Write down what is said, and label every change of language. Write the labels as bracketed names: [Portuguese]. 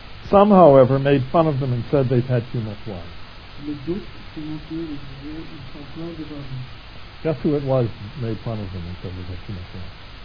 [English] Some, however, made fun of them and said they've had too much wine. [French] Mais d'autres se moquaient et disaient ils sont pleins de vin. [English] Guess who it was made fun of them and said they had too much wine?